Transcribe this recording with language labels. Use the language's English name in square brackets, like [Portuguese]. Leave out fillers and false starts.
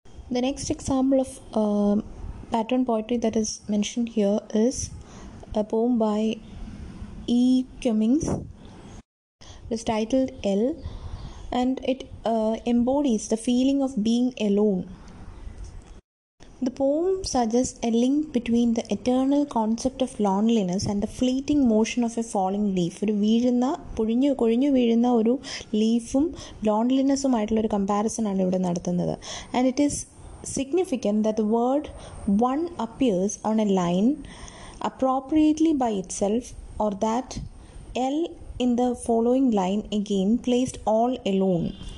[English] The next example of pattern poetry that is mentioned here is a poem by E. Cummings. It is titled L, and it embodies the feeling of being alone. The poem suggests a link between the eternal concept of loneliness and the fleeting motion of a falling leaf. [Malayalam] ഒരു വീഴുന്ന പൊഴിഞ്ഞു കൊഴിഞ്ഞു വീഴുന്ന ഒരു ലീഫും ലോൺലിനെസ്സുമായിട്ടുള്ള ഒരു comparison ആണ് ഇവിടെ നടത്തുന്നത്. [English] And it is significant that the word one appears on a line appropriately by itself, or that L in the following line again placed all alone.